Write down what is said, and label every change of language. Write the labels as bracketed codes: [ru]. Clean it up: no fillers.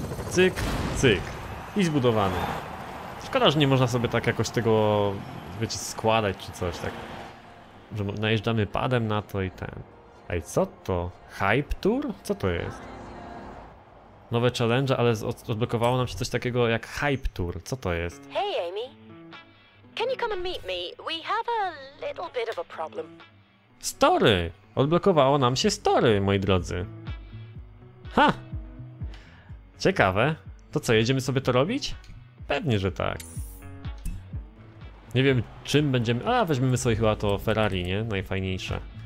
[pl] Cyk, cyk. I zbudowany. Szkoda, że nie można sobie tak jakoś tego, wiecie, składać czy coś, tak. Że najeżdżamy padem na to i ten. Ej, co to? Hype Tour? Co to jest? Nowe challenge, ale odblokowało nam się coś takiego jak Hype Tour. Co to jest? [en] Hey Amy. Can you come and meet me? We have a little bit of a problem. Story! [pl] Odblokowało nam się story, moi drodzy. Ha! Ciekawe. To co, jedziemy sobie to robić? Pewnie, że tak. Nie wiem, czym będziemy... A, weźmiemy sobie chyba to Ferrari, nie? Najfajniejsze.